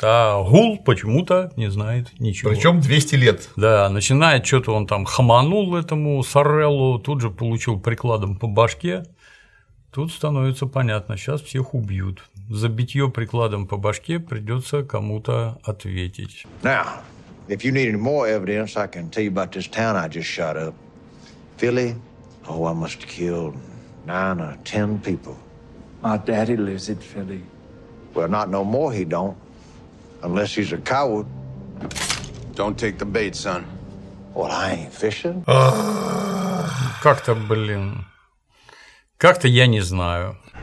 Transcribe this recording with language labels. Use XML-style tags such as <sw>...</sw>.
<ru>А Гул почему-то не знает ничего. Причем 200 лет. Да, начинает что-то он там хаманул этому Сореллу, тут же получил прикладом по башке. Тут становится понятно, сейчас всех убьют. За битьё прикладом по башке придется кому-то ответить.</ru> <en>Now, if you need any more evidence, I can tell you about this town I just shot up. Philly, oh, I must have killed 9 or 10 people. My daddy lives in Philly. Well, not no more he don't, unless he's a coward. Don't take the bait, son. Well, I ain't fishing.</en> <ru>Как-то, блин, как-то я не знаю.</ru>